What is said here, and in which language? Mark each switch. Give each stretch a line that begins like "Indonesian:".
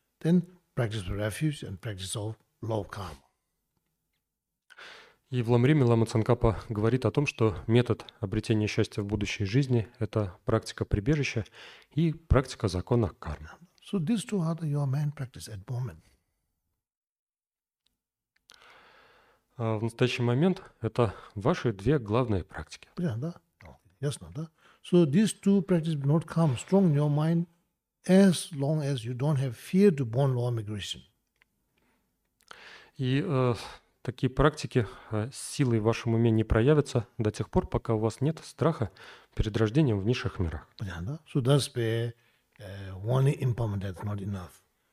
English: Then practice of refuge and practice of law of karma.
Russian: И в Ламриме Лама Цанкапа говорит о том, что метод обретения счастья в будущей жизни – это практика прибежища и практика закона кармы.
English: So these two are your main practice at the moment.
Russian: В настоящий момент это ваши две главные практики. Да, ясно, да.
English: So these two practices not come strong in your mind as long as you don't have fear to born law migration.
Russian: И такие практики силой в вашем уме не проявятся до тех пор, пока у вас нет страха перед рождением в низших мирах.
English: So that's where only impermanent death is not enough.